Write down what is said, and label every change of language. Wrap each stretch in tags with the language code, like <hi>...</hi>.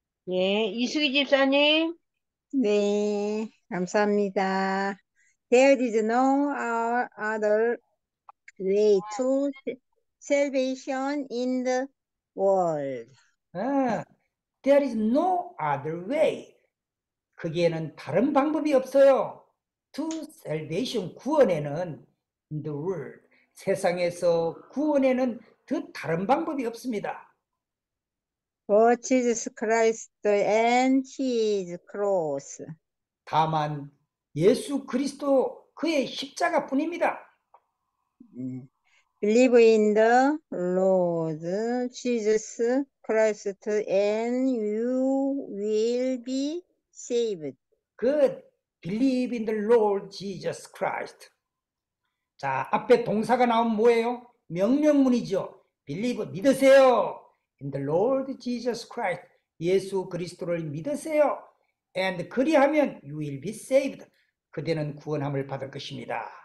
<ko>예, 이수기 집사님. 네, 감사합니다.</ko> <en>There is no other way to salvation in the world. 아, there is no other way.</en> <ko>거기에는 다른 방법이 없어요.</ko> <en>To salvation,</en> <ko>구원에는</ko> <en>in the world.</en> <ko>세상에서 구원에는 더 다른 방법이 없습니다.</ko> <en>For Jesus Christ and his cross.</en> <ko>다만 예수 그리스도 그의 십자가 뿐입니다.</ko> <en>Believe in the Lord Jesus Christ and you will be saved. Good. Believe in the Lord Jesus Christ.</en> <ko>자, 앞에 동사가 나오면 뭐예요? 명령문이죠.</ko> <en>Believe,</en> <ko>믿으세요.</ko> <en>In the Lord Jesus Christ,</en> <ko>예수 그리스도를 믿으세요.</ko> <en>And</en> <ko>그리하면</ko> <en>you will be saved.</en> <ko>그대는 구원함을 받을 것입니다.</ko>